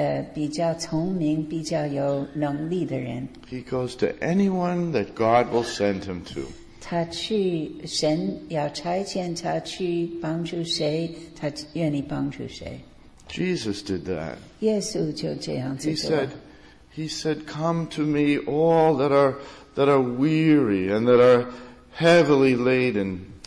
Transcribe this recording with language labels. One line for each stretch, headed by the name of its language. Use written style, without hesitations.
Chinese: 因为他有神的灵，他不会只是看那些比较聪明、比较有能力的人。
English: He goes to anyone that God will send him to.
Chinese: 他去神要差遣他去帮助谁，他愿意帮助谁。
English: Jesus did that.
Chinese: 耶稣就这样子做。
English: He said, "Come to me, all that are weary and that are heavily laden.